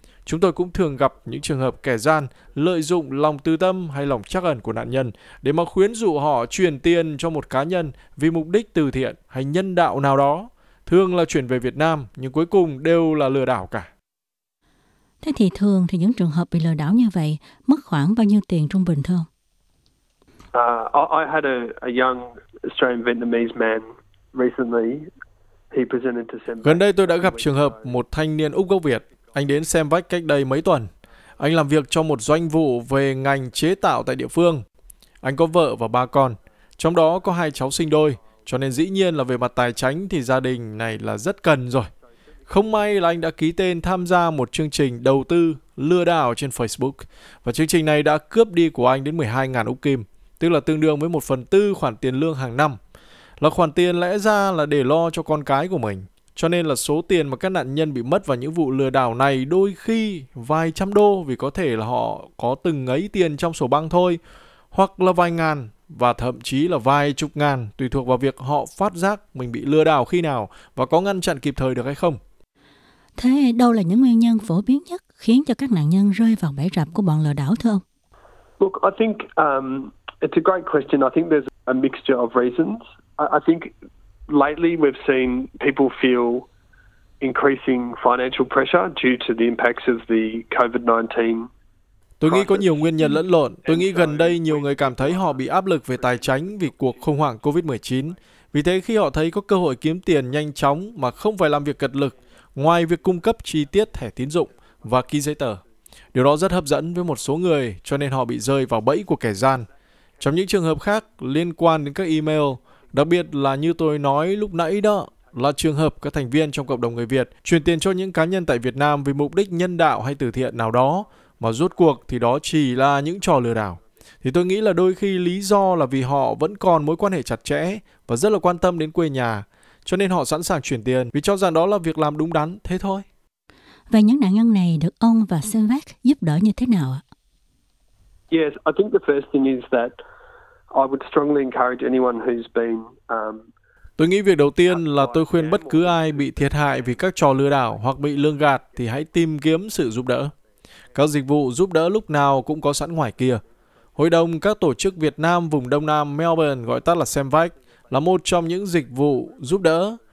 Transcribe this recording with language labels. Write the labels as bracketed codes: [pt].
[vi] Chúng tôi cũng thường gặp những trường hợp kẻ gian lợi dụng lòng tư tâm hay lòng trắc ẩn của nạn nhân để mà khuyến dụ họ chuyển tiền cho một cá nhân vì mục đích từ thiện hay nhân đạo nào đó. Thường là chuyển về Việt Nam, nhưng cuối cùng đều là lừa đảo cả. Thế thì thường thì những trường hợp bị lừa đảo như vậy mất khoảng bao nhiêu tiền trung bình thôi? [en] I had a young Australian Vietnamese man recently. He presented to Xem Vác. [vi] Gần đây tôi đã gặp trường hợp một thanh niên Úc gốc Việt. Anh đến Xem Vác cách đây mấy tuần. Anh làm việc cho một doanh vụ về ngành chế tạo tại địa phương. Anh có vợ và 3 con, trong đó có 2 cháu sinh đôi. Cho nên dĩ nhiên là về mặt tài chính thì gia đình này là rất cần rồi. Không may là anh đã ký tên tham gia một chương trình đầu tư lừa đảo trên Facebook. Và chương trình này đã cướp đi của anh đến 12.000 Úc Kim, tức là tương đương với 1/4 khoản tiền lương hàng năm. Là khoản tiền lẽ ra là để lo cho con cái của mình. Cho nên là số tiền mà các nạn nhân bị mất vào những vụ lừa đảo này đôi khi vài trăm đô, vì có thể là họ có từng ấy tiền trong sổ băng thôi, hoặc là vài ngàn và thậm chí là vài chục ngàn, tùy thuộc vào việc họ phát giác mình bị lừa đảo khi nào và có ngăn chặn kịp thời được hay không. Thế đâu là những nguyên nhân phổ biến nhất khiến cho các nạn nhân rơi vào bẫy rập của bọn lừa đảo thưa ông? [en] Look, I think it's a great question. I think there's a mixture of reasons. I think lately we've seen people feel increasing financial pressure due to the impacts of the COVID-19. [vi] Tôi nghĩ có nhiều nguyên nhân lẫn lộn. Tôi nghĩ gần đây nhiều người cảm thấy họ bị áp lực về tài chính vì cuộc khủng hoảng COVID-19. Vì thế khi họ thấy có cơ hội kiếm tiền nhanh chóng mà không phải làm việc cật lực, ngoài việc cung cấp chi tiết thẻ tín dụng và ký giấy tờ, điều đó rất hấp dẫn với một số người, cho nên họ bị rơi vào bẫy của kẻ gian. Trong những trường hợp khác liên quan đến các email, đặc biệt là như tôi nói lúc nãy đó, là trường hợp các thành viên trong cộng đồng người Việt chuyển tiền cho những cá nhân tại Việt Nam vì mục đích nhân đạo hay từ thiện nào đó, mà rốt cuộc thì đó chỉ là những trò lừa đảo. Thì tôi nghĩ là đôi khi lý do là vì họ vẫn còn mối quan hệ chặt chẽ và rất là quan tâm đến quê nhà, cho nên họ sẵn sàng chuyển tiền vì cho rằng đó là việc làm đúng đắn, thế thôi. Và những nạn nhân này được ông và Semvec giúp đỡ như thế nào ạ? [en] Yes, I think the first thing is that I would strongly encourage anyone who's been [vi] Tôi nghĩ việc đầu tiên là tôi khuyên bất cứ ai bị thiệt hại vì các trò lừa đảo hoặc bị lương gạt thì hãy tìm kiếm sự giúp đỡ. Các dịch vụ giúp đỡ lúc nào cũng có sẵn ngoài kia. Hội đồng các tổ chức Việt Nam vùng Đông Nam Melbourne, gọi tắt là Semvec, là một trong những dịch vụ giúp đỡ.